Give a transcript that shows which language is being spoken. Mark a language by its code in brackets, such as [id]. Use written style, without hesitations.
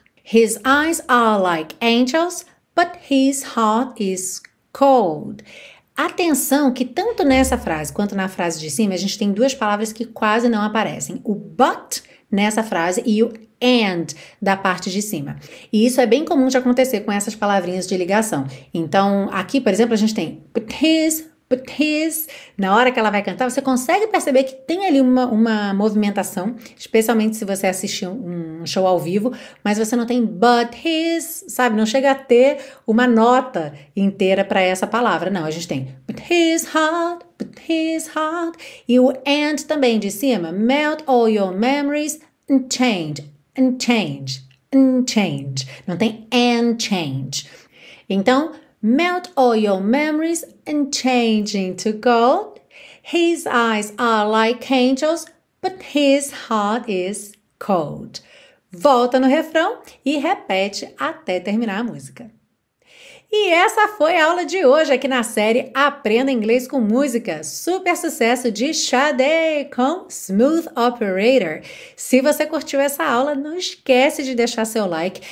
[en] His eyes are like angels, but his heart is cold. [pt] Atenção que tanto nessa frase quanto na frase de cima, a gente tem duas palavras que quase não aparecem. O but nessa frase e o and da parte de cima. E isso é bem comum de acontecer com essas palavrinhas de ligação. Então, aqui, por exemplo, a gente tem [en] but his [pt] His, na hora que ela vai cantar, você consegue perceber que tem ali uma movimentação, especialmente se você assistir um show ao vivo, mas você não tem [en] but his, [pt] sabe? Não chega a ter uma nota inteira para essa palavra. Não, a gente tem [en] but his heart, but his heart. [pt] E o and também de cima. [en] Melt all your memories and change, [pt] and change, and change. Não tem [en] and change. [pt] Então, [en] melt all your memories and change into gold. His eyes are like angels, but his heart is cold. [pt] Volta no refrão e repete até terminar a música. E essa foi a aula de hoje aqui na série Aprenda Inglês com Música, super sucesso de Sade com Smooth Operator. Se você curtiu essa aula, não esquece de deixar seu like.